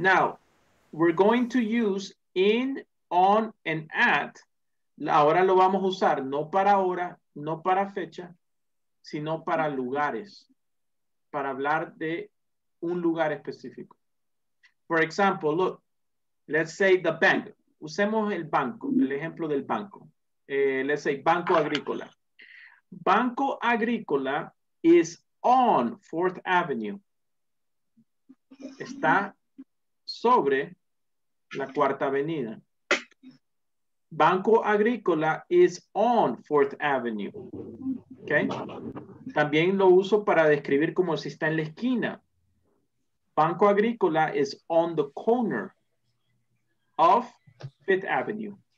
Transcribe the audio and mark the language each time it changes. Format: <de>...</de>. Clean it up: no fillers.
<en>Now, we're going to use in, on, and at.</en> <es>Ahora lo vamos a usar no para hora, no para fecha, sino para lugares. Para hablar de un lugar específico.</es> <en>For example, look, let's say the bank.</en> <es>Usemos el banco, el ejemplo del banco.</es> <en>Let's say</en> <es>Banco Agrícola.</es> <en>Banco Agrícola is on 4th Avenue.</en> <es>Está sobre la Cuarta Avenida.</es> <en>Banco Agrícola is on 4th Avenue. Okay.</en> <es>También lo uso para describir como si está en la esquina.</es> <en>Banco Agrícola is on the corner of 5th Avenue.</en>